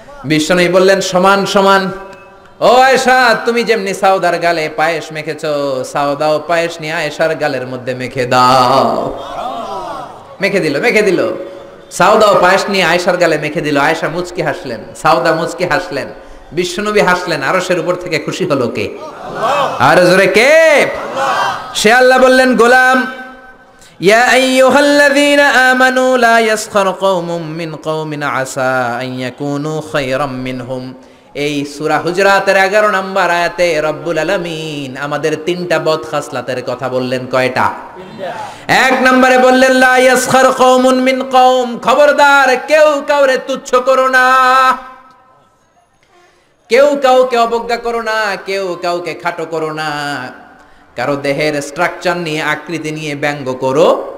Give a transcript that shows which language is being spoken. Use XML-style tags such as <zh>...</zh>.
<bn>বিশ্বনবী বললেন সমান সমান। ও আয়েশা তুমি যেমনি সাউদার গালে পায়েস মেখেছ, সাউদাও পায়েস নিয়ে আয়েশার গালের মধ্যে মেখে দাও। মেখে দিল, মেখে দিল, সাউদাও পায়েস নিয়ে আয়েশার গালে মেখে দিল। আয়েশা মুচকি হাসলেন, সাউদা মুচকি হাসলেন, বিশ্বনবী হাসলেন, আরশের উপর থেকে খুশি হলো কে? আর জোরে কে? সে আল্লাহ বললেন গোলাম</bn> <ar>يا ايها الذين امنوا لا يسخر قوم من قوم عسى ان يكونوا خيرا منهم</ar> <bn>এই সূরা হুজরাতের 11 নম্বর আয়াতে রব্বুল আলামিন আমাদের তিনটা বদ খাসলাতের কথা বললেন, কয়টা? তিনটা। এক নম্বরে বললেন,</bn> <ar>লা ইয়াসখার কওমুন মিন কওম,</ar> <bn>খবরদার কেউ কাউরে তুচ্ছ করো না, কেউ কাউকে অবজ্ঞা করো না, কেউ কাউকে খাটো করো না, কারো দেহের স্ট্রাকচার নিয়ে আকৃতি নিয়ে ব্যঙ্গ করো।</bn>